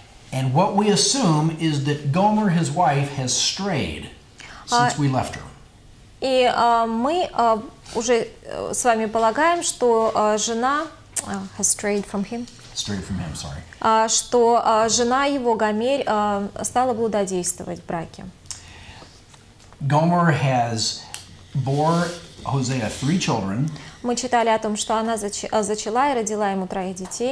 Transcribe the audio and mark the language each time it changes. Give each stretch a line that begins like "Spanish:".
English: And what we assume is that Gomer, his wife, has strayed since we left her.
Russian: И мы уже с вами полагаем, что жена
English: has strayed from him. Strayed from him, sorry.
Russian: Что жена его Гомер стала блудодействовать в браке.
English: Gomer has bore Hosea 3 children.
Russian: Мы читали о том, что она зачала и родила ему 3 детей.